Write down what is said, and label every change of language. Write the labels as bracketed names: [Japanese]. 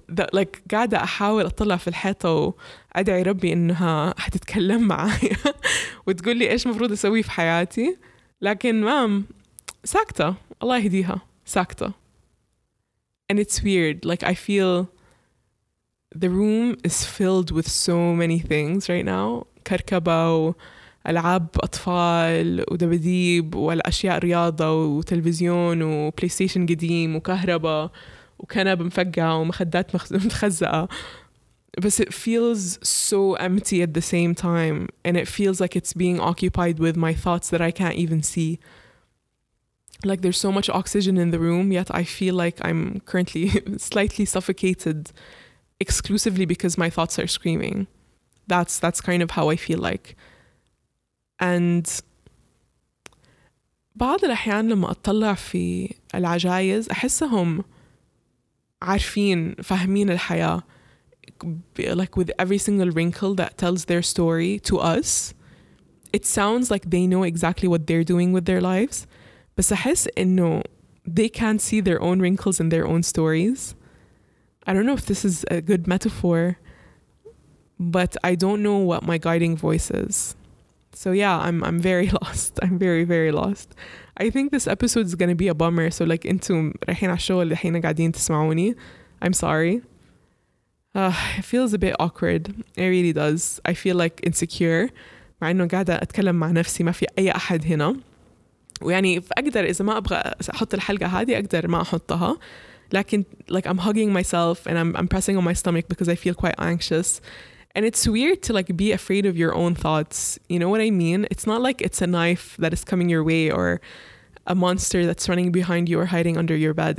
[English] That like [Arabic] قاعدة أحاول أطلع في الحيطة وأدعي ربي إنها حتتكلم معايا وتقول لي إيش مفروض أسوي في حياتي. لكن مام ساكتة, الله يهديها, ساكتة. [English] And it's weird. Like I feel the room is filled with so many things right now. [Arabic] كركبة ألعاب أطفال ودبديب والأشياء رياضة وتلفزيون وبلاي ستيشن قديم وكهرباء وكنب مفقع ومخدات متخزقة. [English] But it feels so empty at the same time, and it feels like it's being occupied with my thoughts that I can't even see. Like there's so much oxygen in the room, yet I feel like I'm currently slightly suffocated exclusively because my thoughts are screaming. That's kind of how I feel like. And [Arabic] بعض الأحيان لما أطلع في العجايز أحسهم عارفين فاهمين الحياة, [English] like with every single wrinkle that tells their story to us, it sounds like they know exactly what they're doing with their lives. [Arabic] بس أحس إنه [English] they can't see their own wrinkles in their own stories. I don't know if this is a good metaphor, but I don't know what my guiding voice is. So yeah, I'm very lost. I'm very, very lost. I think this episode is going to be a bummer. So like, [Arabic] انتم رايحين على الشغل الحين قاعدين تسمعوني. [English] I'm sorry. It feels a bit awkward. It really does. I feel like insecure. [Arabic] مع انه قاعدة اتكلم مع نفسي, ما في اي احد هنا. ويعني اقدر اذا ما ابغى احط الحلقة هذه اقدر ما احطها. لكن [English] like I'm hugging myself and I'm pressing on my stomach because I feel quite anxious. And it's weird to like be afraid of your own thoughts. You know what I mean? It's not like it's a knife that is coming your way or a monster that's running behind you or hiding under your bed.